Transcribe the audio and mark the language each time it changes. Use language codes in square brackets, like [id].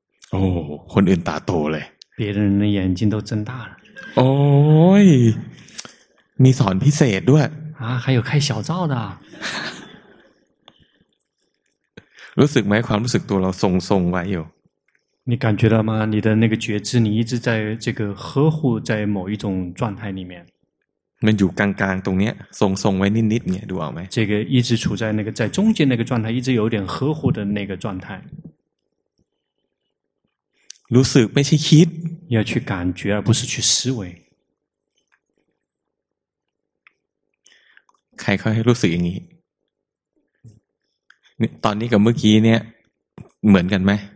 [th] โอ้คนอื่นตาโตเลย [zh] 别人的眼睛都睁大了 [th] โอ้ยมีสอนพิเศษด้วย [zh] อ่ะ还有开小灶的 [th] รู้สึกไหมความรู้สึกตัวเราทรงๆไว้อยู่ [zh] 你感觉到吗你的那个觉知你一直在这个呵护在某一种状态里面 [th] มันอยู่กลางๆตรงเนี้ยทรงไว้นิดๆเนี่ยดูออกมั้ย [zh] 这个一直处在那个在中间那个状态一直有点呵护的那个状态 [th] รู้สึกไม่ใช่คิด [zh] 要去感觉而不是去思维 [th] ใครค่อยให้รู้สึกอย่างนี้ตอนนี้กับเมื่อกี้เนี่ยเหมือนกันไหม